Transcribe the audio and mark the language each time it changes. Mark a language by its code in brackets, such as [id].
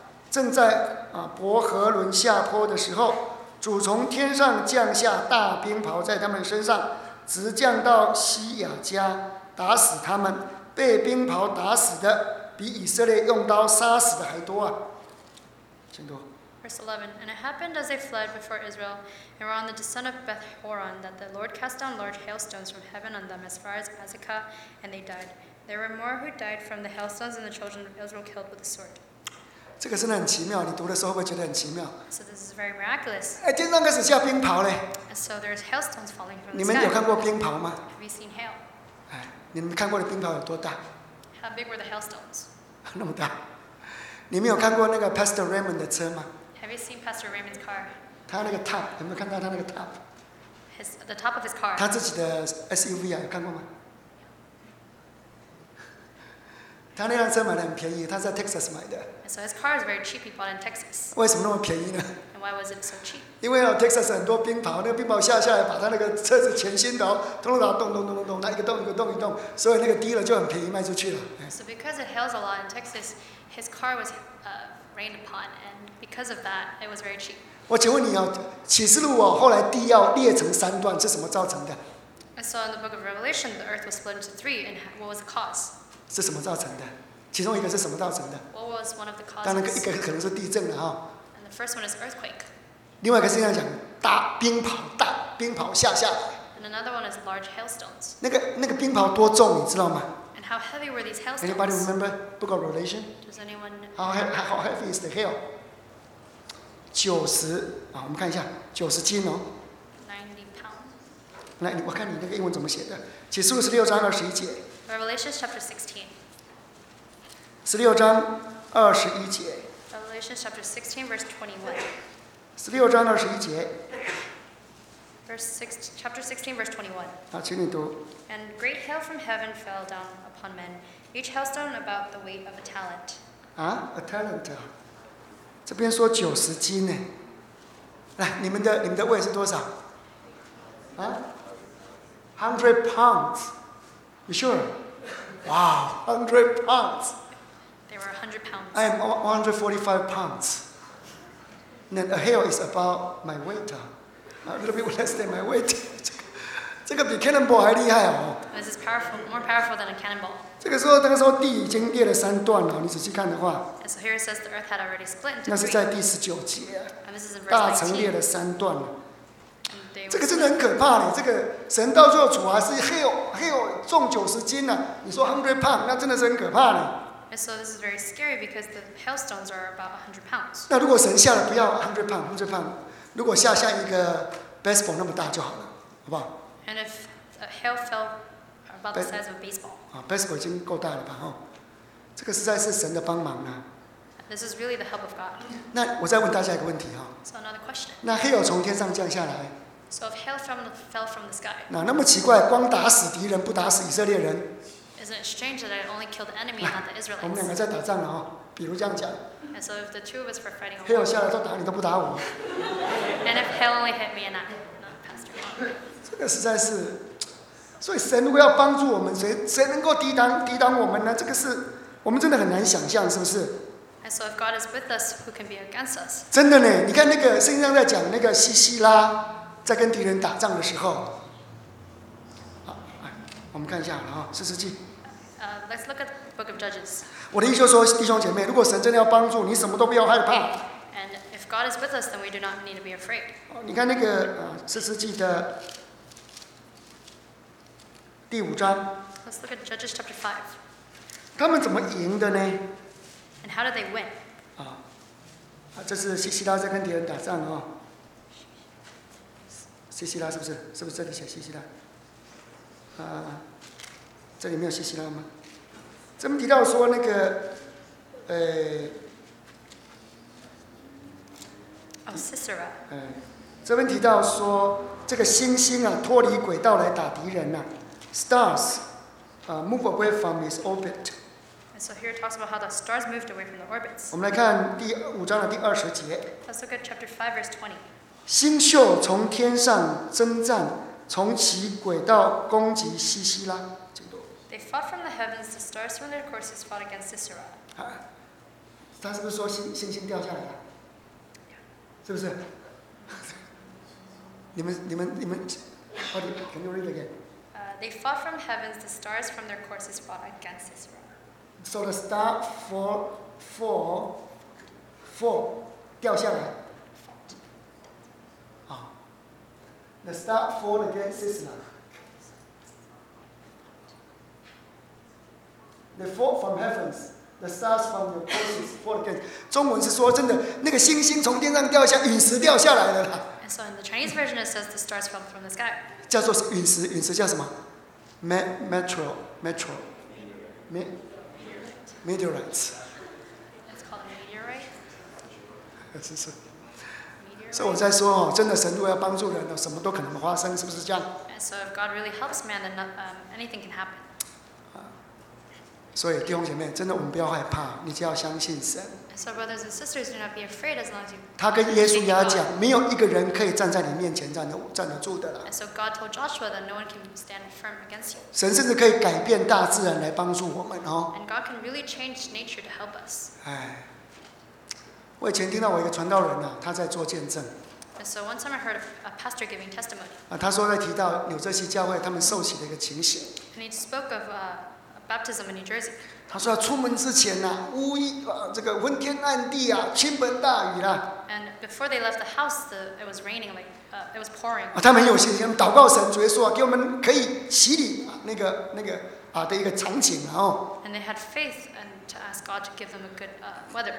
[zh] 正在伯和伦下坡的时候，主从天上降下大冰雹在他们身上，直降到西雅加，打死他们。被冰雹打死的比以色列用刀杀死的还多啊！请读。 [en] Verse 11. And it happened as they fled before Israel, and were on the descent of Beth Horon, that the Lord cast down large hailstones from heaven on them as far as Azekah, and they died. There were more who died from the hailstones than the children of Israel killed with the sword. [zh] 这个真的很奇妙，你读的时候会不会觉得很奇妙 [en] ？So this is very miraculous. [zh] 哎，天上开始下冰雹嘞 [en] ！So there's hailstones falling from the sky. [zh] 你们有看过冰雹吗 [en] ？Have you seen hail? [zh] 哎，你们看过的冰雹有多大 [en] ？How big were the hailstones? [zh] 那么大。你们有看过那个 Pastor Raymond 的车吗 [en] ？Have you seen Pastor Raymond's car? [zh] 他那个 top 有没有看到他那个 top？ [en] The top of his car. [zh] 他自己的 SUV 啊，有看过吗？他那辆车买的很便宜，他在 Texas 买的。 [en] So his car is very cheap. He bought in Texas. [zh] 为什么那么便宜呢 [en] ？And why was it so cheap? [zh] 因为哦 ，Texas 很多冰雹，那个冰雹下下来，把他那个车子全新的哦，通通打洞洞洞洞洞，那一个洞一个洞一洞，所以那个低了就很便宜卖出去了。 [en] So because it hails a lot in Texas, his car was rained upon, and because of that, it was very cheap. [zh] 我请问你哦，启示录哦，后来地要裂成三段，是什么造成的 [en] ？I saw in the book of Revelation the earth was split into three, and what was the cause？ [zh] 是什么造成的？其中一个是什么造成的 [en] ？What was one of the causes？ [zh] 当然，一个可能是地震了哈、哦。 [en] And the first one is earthquake。 [zh] 另外一个是这样讲，大冰雹，大冰雹下下来。 [en] And another one is large hailstones。 [zh] 那个冰雹多重，你知道吗 [en] ？And how heavy were these hailstones？ Anybody remember book of Revelation？ Does anyone remember? How heavy is the hail？ [zh] 九十啊，我们看一下，九十斤哦。 [en] 90 pounds。 [zh] 来，我看你那个英文怎么写的？启示录十六章二十一节。 [en] Revelation chapter 16。 [zh] 十六章二十一节。 [en] Revelation chapter 16 verse 21。 [zh] 十六章二十一节。 [en] Chapter 16 verse 21。 [zh] 啊，请你读。 [en] And great hail from heaven fell down upon men, each hailstone about the weight of a talent. 啊 ，a talent。 [zh] 这边说九十斤呢，来，你们的胃是多少？ [en] 啊 ，100 pounds， you sure？ Wow， 100 pounds。 They were 100 pounds. I am 145 pounds. And then a hail is about my weight, a little bit less than my weight. [zh] 这个比 cannonball 还厉害哦。 [en] This is powerful, more powerful than a cannonball. [zh] 这个时候，那个时候地已经裂了三段了。你仔细看的话， [en] so here it says the earth had already split. [zh] 那是在第十九节。 [en] And this is verse 19. [zh] 大城裂了三段了。这个真的很可怕嘞！这个神到最后处罚是 hail 重九十斤呢、啊。你说 hundred pound，那真的是很可怕嘞。 [en] And so this is very scary because the hailstones are about 100 pounds. [zh] 那如果神下了不要 hundred pound，如果下像一个 baseball 那么大就好了，好不好？ [en] And if a hail fell about the size of a baseball. [zh] Baseball 已经够大了吧？哈，这个实在是神的帮忙啊。 [en] This is really the help of God. [zh] 那我再问大家一个问题哈。 [en] So another question. [zh] 那 hail 从天上降下来。 [en] So if hail fell from the sky. [zh] 那么奇怪，光打死敌人不打死以色列人。 [en] Isn't it strange that I only killed the enemy, not the Israelites? [zh] 我们两个在打仗了哈，比如这样讲。 [en] And so if the two of us were fighting. [zh] Hail 下来都打你都不打我。 [en] And if hail only hit me and not Pastor. [zh] 这实在是，所以神如果要帮助我们，谁能够抵挡我们呢？这个是我们真的很难想象，是不是 [en] ？And so if God is with us, who can be against us? [zh] 真的呢，你看那个圣经上在讲那个西西拉在跟敌人打仗的时候，好，我们看一下啊，四世纪。 [en] Let's look at the book of Judges. [zh] 我的意思就是说，弟兄姐妹，如果神真的要帮助你，什么都不要害怕。 [en] And if God is with us, then we do not need to be afraid. [zh] 你看那个四世纪的。第五章。 [en] Let's look at Judges chapter 5. [zh] 他们怎么赢的呢 [en] ？And how did they win？ [zh] 啊，这是西西拉在跟敌人打仗啊、哦。西西拉是不是？是不是这里写西西拉？啊，这里没有西西拉吗？这么提到说那个， [en] Sisera。 [zh] 这边提到说这个星星啊，脱离轨道来打敌人呐、啊。 [en] Stars, move away from its orbit. And so here it talks about how the stars moved away from the orbits. [zh] 我们来看第五章的第二十节。 [en] Let's look at chapter 5, verse 20. [zh] 星宿从天上征战，从其轨道攻击西西拉。 [en] They fought from the heavens. The stars from their courses fought against Sisera. [zh] 他是不是说星星掉下来了？ [en] Yeah. [zh] 是不是？ [en] 你们，How do you, can you read again? They fought from heavens, the stars from their courses fought against Sisera. So the star fall, 掉下来。 Fought. Ah. The star fall against Sisera. They fought from heavens, the stars from their courses fought against. [zh] 中文是说真的，那个星星从天上掉下，陨石掉下来的啦。 [en] And so in the Chinese version, it says the stars fell from the sky. [zh] 叫做陨石叫什么？Meteorites. [en] It's called meteorites. [zh] 是是。所以我在说哦，真的，神如果要帮助人，什么都可能发生，是不是这样 [en] ？And so if God really helps man, then anything can happen. [zh] 所以弟兄姐妹，真的我们不要害怕，你只要相信神。 [en] So brothers and sisters, do not be afraid as long as you. [zh] 他跟耶稣亚讲，没有一个人可以站在你面前站得住的了。 [en] And so God told Joshua that no one can stand firm against you. [zh] 神甚至可以改变大自然来帮助我们哦。 [en] And God can really change nature to help us. [zh] 哎，我以前听到我一个传道人、啊、他在做见证。 [en] And、so one time I heard a pastor giving testimony. [zh] 他说在提到纽泽西教会他们受洗的一个情形。 [en] And he spoke of a baptism in New Jersey. [zh] 他说出门之前呐、啊，乌云啊，这个昏天暗地啊，倾盆大雨啦、啊。 [en] And before they left the house, it was raining like it was pouring. [zh] 他们很有信心，祷告神，主耶稣啊，给我们可以洗礼、啊、那个。啊的一个场景、哦、 [en] And they had faith and to ask God to give them a good weather.